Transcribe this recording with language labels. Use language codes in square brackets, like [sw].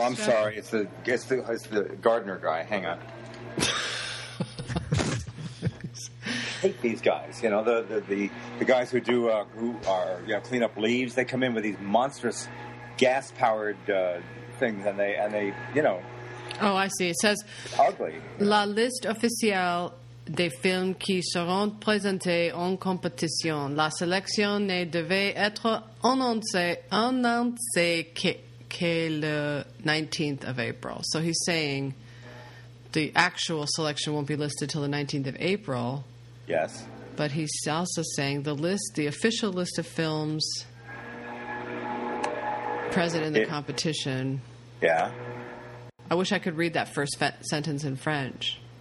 [en] Oh, I'm sorry. It's the gardener guy. Hang on. Hate these guys, you know, the guys who do clean up leaves. They come in with these monstrous gas powered things, and they you know. Oh, I see. It says ugly. [fr] La liste officielle des films qui seront présentés en compétition. La sélection ne devait être annoncée que le [en] 19th of April. So he's saying the actual selection won't be listed till the 19th of April. Yes. But he's also saying the official list of films present in the competition. Yeah. I wish I could read that first sentence in French.